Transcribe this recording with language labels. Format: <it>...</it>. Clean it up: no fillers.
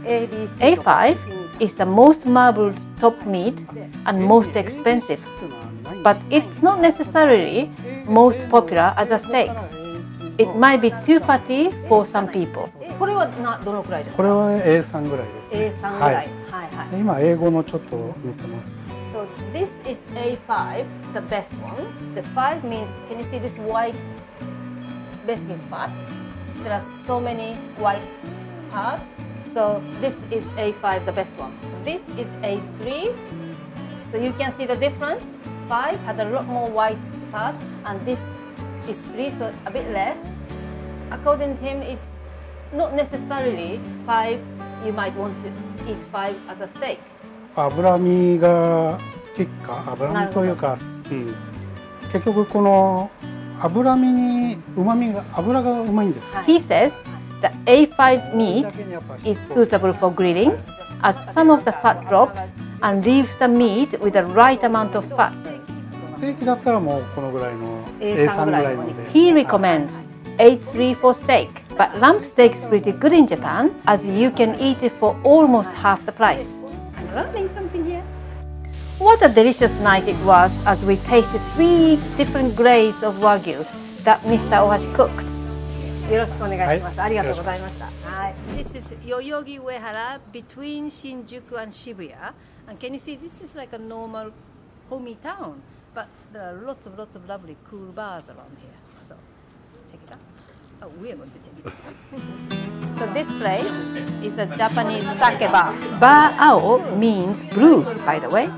<en>A5. Is the most marbled top meat and most expensive, but it's not necessarily most popular as a steak. It might be too fatty for some people.</en> <ja>これはなどのくらいですか？これは A3 ぐらいです、ね。A3 ぐらい。はいはい。今英語のちょっと見せます。</ja> <en>So this is A5, the best one. The five means, can you see this white biscuit part? There are so many white parts. So this is A5, the best one. This is A3. So you can see the difference. 5 has a lot more white part, and this is 3, so a bit less. According to him, it's not necessarily 5. You might want to eat 5 as a steak.</en> <ja>脂身が好きか、脂身というか、結局この脂身に旨味が、脂がうまいんですか。</ja> <en>He says,The A5 meat is suitable for grilling, as some of the fat drops and leaves the meat with the right amount of fat.</en> <ja>Steak だったらもうこのぐらいの A3 ぐらいので。</ja> <en>He recommends A3 for steak, but lamb steak is pretty good in Japan, as you can eat it for almost half the price. I'm learning something here. What a delicious night it was as we tasted three different grades of Wagyu that Mr. Ohashi cooked.</en> <ja>よろしくお願いします、はい、ありがとうございました。はい、</ja> <en>This is Yoyogi Uehara between Shinjuku and Shibuya. And can you see, this is like a normal homey town, but there are lots of lovely cool bars around here. So, check it out. Oh, we are going to check it out. So this place is a Japanese sake bar. Bar Ao means blue, by the way.</en>